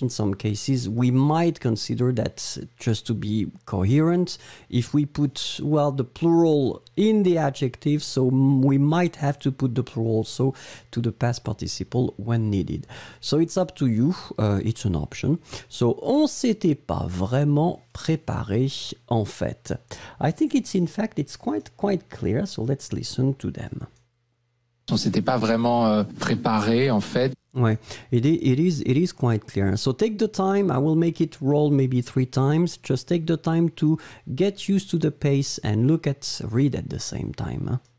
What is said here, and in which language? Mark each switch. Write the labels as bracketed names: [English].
[English] In some cases, we might consider that just to be coherent. If we put, the plural in the adjective, so we might have to put the plural also to the past participle when needed. So it's up to you, it's an option. [French] So on s'était pas vraiment préparé en fait. [English] I think it's in fact, it's quite clear, so let's listen to them. [French] On s'était pas vraiment préparé en fait. [English] Ouais, it is quite clear. So take the time, I will make it roll maybe 3 times. Just take the time to get used to the pace and look at, read at the same time.